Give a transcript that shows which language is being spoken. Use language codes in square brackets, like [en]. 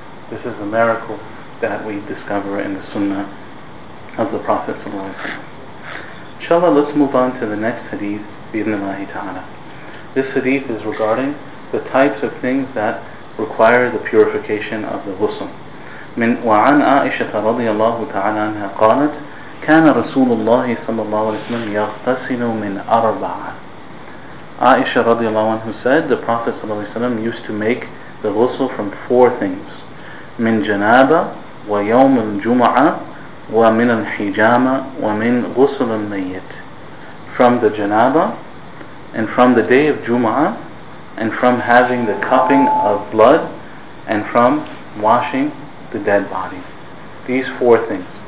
[en] This is a miracle that we discover in the Sunnah of the Prophet ﷺ. Inshallah, let's move on to the next hadith, bi'idhnillahi ta'ala. This hadith is regarding the types of things that require the purification of the ghusl. [ar] من وعن عائشة رضي الله تعالى عنها قالت كان رسول الله صلى الله عليه وسلم يغتسل من أربعة. [en] Aisha radiallahu anhu said the Prophet صلى الله عليه وسلم used to make the ghusl from 4 things: [ar] من جنابة ويوم الجمعة ومن الحجامة ومن غسل الميت. [en] From the janaba, and from the day of Jumu'ah, and from having the cupping of blood, and from washing the dead body. These 4 things.